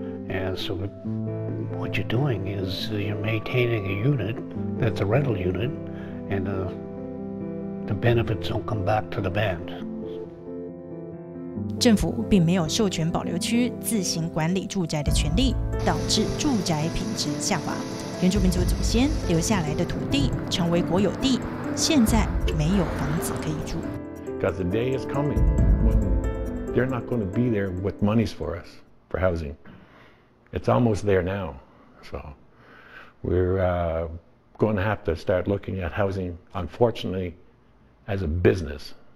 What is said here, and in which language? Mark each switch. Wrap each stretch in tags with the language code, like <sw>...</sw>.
<en>And so what you're doing is you're maintaining a unit that's a rental unit, and the benefits don't come back to the band.</en> <zh>政府并没有授权保留区自行管理住宅的权利，导致住宅品质下滑。原住民族祖先留下来的土地成为国有地，现在没有房子可以住。</zh> <en>Because the day is coming when they're not going to be there with monies for us for housing. It's almost there now, so we're going to have to start looking at housing, unfortunately, as a business.</en>